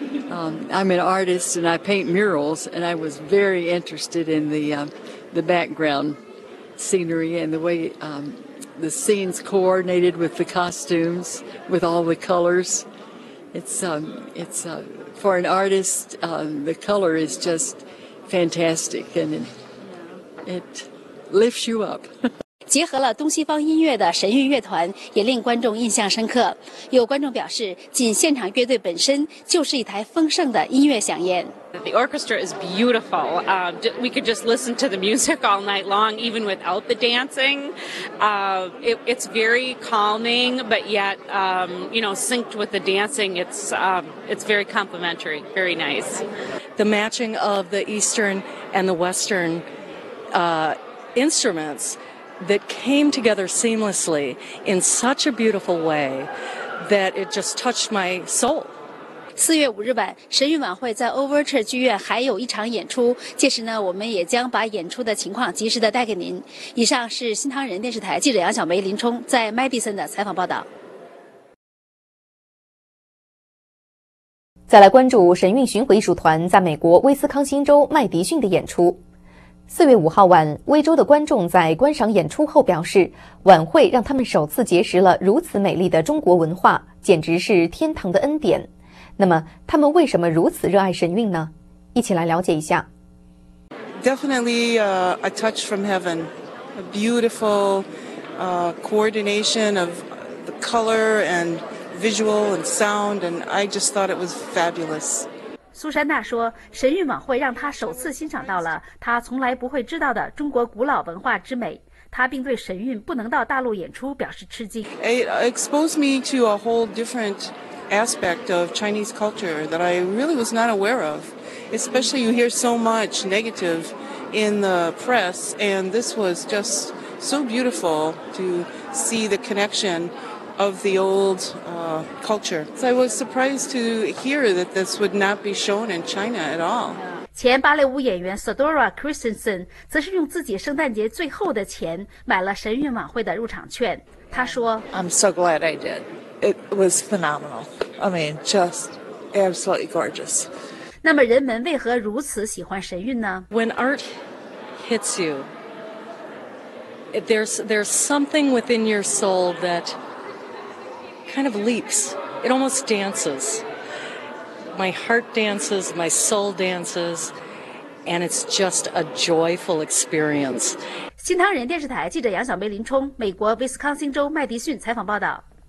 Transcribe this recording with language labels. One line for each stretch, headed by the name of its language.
English: I'm an artist and I paint murals, and I was very interested in the background scenery and the way the scenes coordinated with the costumes, with all the colors. It's for an artist, the color is just...Fantastic, and it lifts you up.
Chinese: 结合了东西方音乐的神韵乐团也令观众印象深刻。有观众表示，仅现场乐队本身就是一台丰盛的音乐飨宴。
English: The orchestra is beautiful. We could just listen to the music all night long, even without the dancing. It's very calming, but yet, synced with the dancing, it's very complimentary, very nice. The matching of the Eastern and the Western instruments that came together seamlessly in such a beautiful way that it just touched my soul.
Chinese: 四月五日晚，神韵晚会在 Overture 剧院还有一场演出，届时呢，我们也将把演出的情况及时的带给您。以上是新唐人电视台记者杨小梅、林冲在麦迪森的采访报道。再来关注神韵巡回艺术团在美国威斯康星州麦迪逊的演出。四月五号晚，威州的观众在观赏演出后表示，晚会让他们首次结识了如此美丽的中国文化，简直是天堂的恩典。那么他们为什么如此热爱神韵呢？一起来了解一下。
English: Definitely a touch from heaven, a beautiful coordination of the color and visual and sound, and I just thought it was fabulous.
Chinese: 苏珊娜说，神韵晚会让她首次欣赏到了她从来不会知道的中国古老文化之美。他并对神韵不能到大陆演出表示吃惊。
English: It exposed me to a whole different aspect of Chinese culture that I really was not aware of. Especially you hear so much negative in the press, and this was just so beautiful to see the connection of the old culture. So I was surprised to hear that this would not be shown in China at all.
Chinese: 前芭蕾舞演员 Sadora Christensen 则是用自己圣诞节最后的钱买了神韵晚会的入场券。他说
English: I'm so glad I did. It was phenomenal. I mean, just absolutely gorgeous.
Chinese: 那么人们为何如此喜欢神韵呢？
English: When art hits you, there's something within your soul that kind of leaps. It almost dances. My heart dances, my soul dances, and it's just a joyful experience.
Chinese: 新唐人电视台记者杨小梅、林冲，美国威斯康星州麦迪逊采访报道。